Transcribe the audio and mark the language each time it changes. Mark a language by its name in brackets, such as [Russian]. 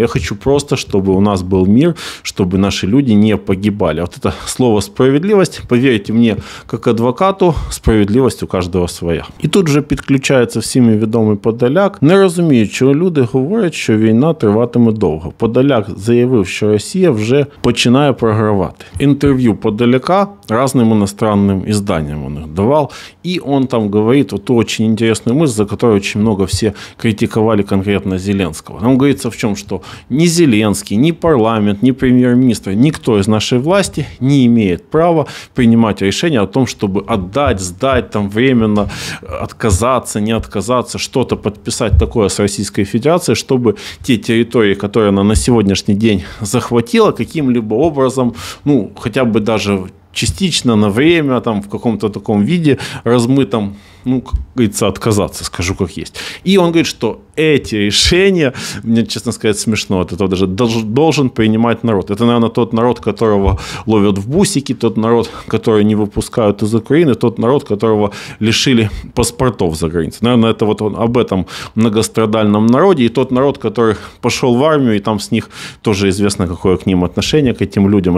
[Russian] Я хочу просто, чтобы у нас был мир, чтобы наши люди не погибали. Вот это слово справедливость, поверьте мне, как адвокату, справедливость у каждого своя. И тут же подключается всеми ведомый Подоляк. Не разумею, чего люди говорят, что война [Ukrainian] триватиме довго. Подоляк заявив, що Росія вже починає програвати. Інтерв'ю Подоляка різним іноземним виданням він давав. І він там говорить оту дуже цікаву мисль, за яку дуже багато всі критикували конкретно Зеленського. Там говориться в чому, що ні Зеленський, ні парламент, ні прем'єр-міністр, ніхто з нашої влади не має права приймати рішення о том, щоб віддати, здати, там, временно відказатися, не відказатися, щось підписати таке з Російською Федерацією, щоб ті території, [Russian] которые она на сегодняшний день захватила каким-либо образом, ну, хотя бы даже частично, на время, там, в каком-то таком виде размытом, ну, как говорится, отказаться, скажу, как есть. И он говорит, что эти решения, мне, честно сказать, смешно, от этого даже должен принимать народ. Это, наверное, тот народ, которого ловят в бусики, тот народ, который не выпускают из Украины, тот народ, которого лишили паспортов за границей. Наверное, это вот он об этом многострадальном народе, и тот народ, который пошел в армию, и там с них тоже известно, какое к ним отношение, к этим людям.